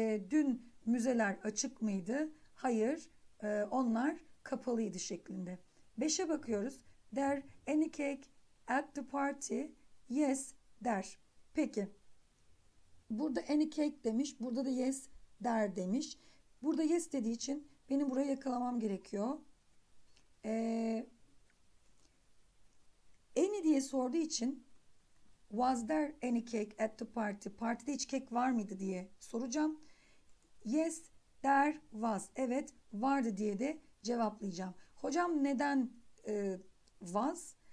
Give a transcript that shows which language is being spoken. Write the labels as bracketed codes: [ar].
[tr] Dün müzeler açık mıydı? Hayır, onlar kapalıydı şeklinde. 5'e bakıyoruz. [en] There any cake at the party? Yes, there. [tr] Peki, burada [en] any cake [tr] demiş, burada da yes der demiş. Burada yes dediği için benim burayı yakalamam gerekiyor. [en] Any [tr] diye sorduğu için [en] was there any cake at the party? [tr] Partide hiç kek var mıydı diye soracağım. [en] Yes, there was. [tr] Evet, vardı diye de cevaplayacağım. Hocam neden was?